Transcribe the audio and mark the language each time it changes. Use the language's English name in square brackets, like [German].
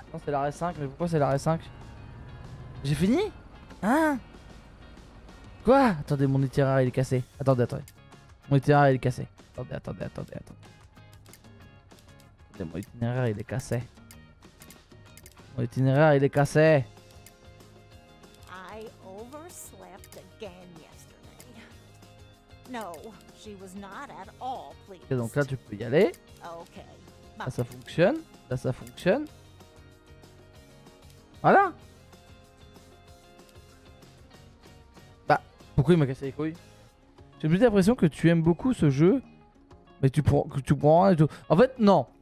[French] Non, c'est l'arrêt 5, mais pourquoi c'est l'arrêt 5? J'ai fini? Hein? Quoi? Attendez, mon itinéraire il est cassé. Attendez. Mon itinéraire il est cassé. Attendez. Mon itinéraire il est cassé. Mon itinéraire il est cassé. [English] I overslept again yesterday. No, she was not at all pleased. [French] Et donc là tu peux y aller. [English] Okay. [French] Là ça fonctionne. Là ça fonctionne. Voilà. Pourquoi il m'a cassé les couilles? J'ai plus l'impression que tu aimes beaucoup ce jeu, mais tu prends rien et tout. En fait, non.